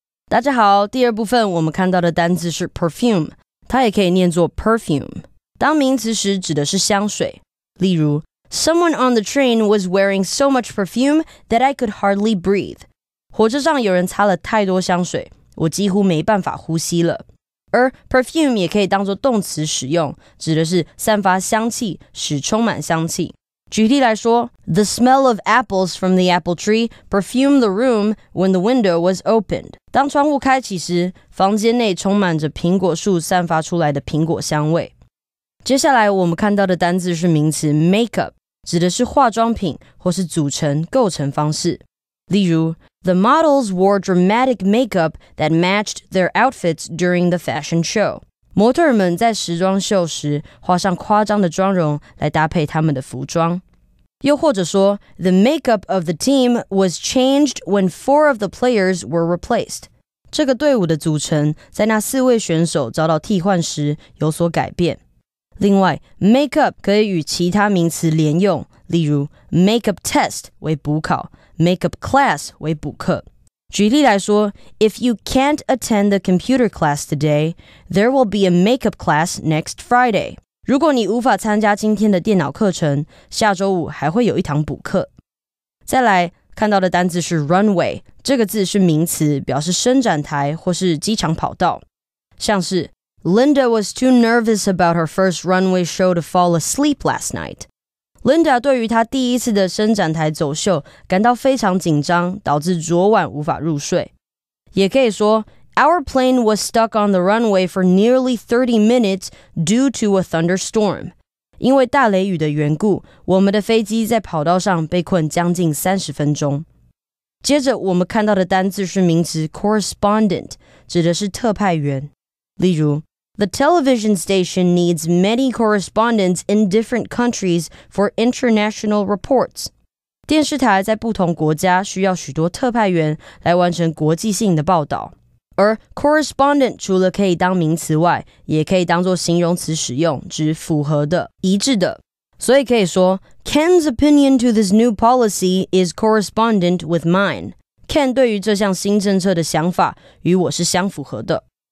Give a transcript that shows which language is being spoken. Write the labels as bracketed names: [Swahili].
[Chinese] 大家好，第二部分我们看到的单字是 perfume， 它也可以念作 perfume， 当名词时指的是香水。例如 [English] ，Someone on the train was wearing so much perfume that I could hardly breathe。 [Chinese] 火车上有人擦了太多香水，我几乎没办法呼吸了。而 perfume 也可以当作动词使用，指的是散发香气，使充满香气。举例来说 [English] ，The smell of apples from the apple tree perfumed the room when the window was opened. [Chinese] 当窗户开启时，房间内充满着苹果树散发出来的苹果香味。接下来我们看到的单字是名词 makeup， 指的是化妆品或是组成构成方式。例如 [English] ，The models wore dramatic makeup that matched their outfits during the fashion show. [Chinese] 模特们在时装秀时画上夸张的妆容来搭配他们的服装。又或者说 [English] ,the makeup of the team was changed when four of the players were replaced. [Chinese] 这个队伍的组成在那四位选手遭到替换时有所改变。另外 ,makeup 可以与其他名词连用，例如 ,makeup test 为补考 ,makeup class 为补课。举例来说 [English] ,if you can't attend the computer class today, there will be a makeup class next Friday. [Chinese] 如果你无法参加今天的电脑课程，下周五还会有一堂补课。再来，看到的单字是 runway, 这个字是名词，表示伸展台或是机场跑道。像是 [English] ,Linda was too nervous about her first runway show to fall asleep last night. [Chinese] Linda 对于她第一次的伸展台走秀感到非常紧张，导致昨晚无法入睡。也可以说 [English] ,Our plane was stuck on the runway for nearly 30 minutes due to a thunderstorm. [Chinese] 因为大雷雨的缘故，我们的飞机在跑道上被困将近30分钟。接着我们看到的单字是名词 correspondent, 指的是特派员。例如 [English] The television station needs many correspondents in different countries for international reports. [Chinese] 电视台在不同国家需要许多特派员来完成国际性的报道。而 correspondent 除了可以当名词外，也可以当作形容词使用，指符合的、一致的。所以可以说 [English] ,Ken's opinion to this new policy is correspondent with mine. [Chinese] Ken 对于这项新政策的想法与我是相符合的。